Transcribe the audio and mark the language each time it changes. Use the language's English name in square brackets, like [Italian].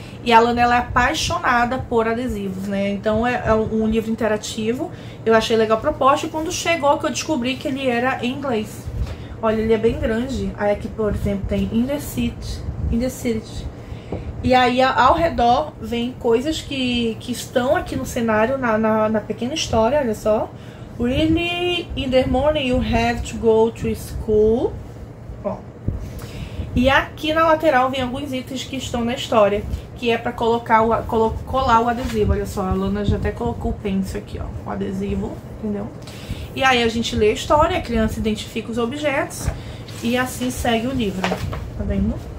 [Portuguese] E a Lana, ela é apaixonada por adesivos, né? Então é um livro interativo, eu achei legal a proposta. E quando chegou, que eu descobri que ele era em inglês. Olha, ele é bem grande. Aí aqui, por exemplo, tem In the City. E aí ao redor vem coisas que estão aqui no cenário, na pequena história, olha só. [English] Really, in the morning you have to go to school. [Portuguese] Ó. E aqui na lateral vem alguns itens que estão na história, que é pra colar o adesivo. Olha só, a Lana já até colocou o pencil aqui, ó, o adesivo, entendeu? E aí a gente lê a história, a criança identifica os objetos e assim segue o livro. Tá vendo?